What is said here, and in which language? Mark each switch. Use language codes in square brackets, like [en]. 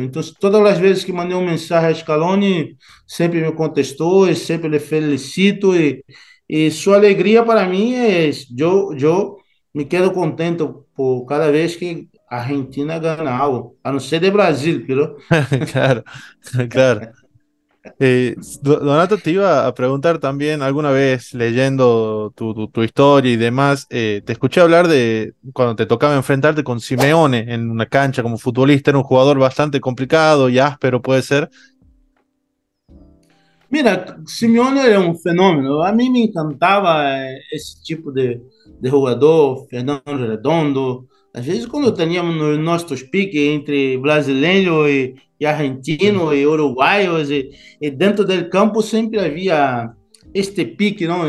[pt] Então, todas as vezes que mandei uma mensagem a Scaloni, sempre me contestou e sempre lhe felicito. E sua alegria para mim é eu me quedo contento por cada vez que a Argentina ganha algo, a não ser de Brasil, pelo. [es] Claro. Donato, te iba a preguntar también, alguna vez leyendo tu historia y demás, te escuché hablar de cuando te tocaba enfrentarte con Simeone en una cancha como futbolista, era un jugador bastante complicado y áspero, puede ser. [pt] Mira, Simeone era um fenômeno. A mim me encantava esse tipo de jogador, Fernando Redondo. Às vezes, quando teníamos nos nossos piques entre brasileiro e argentino e uruguaios, e dentro do campo sempre havia este pique, não?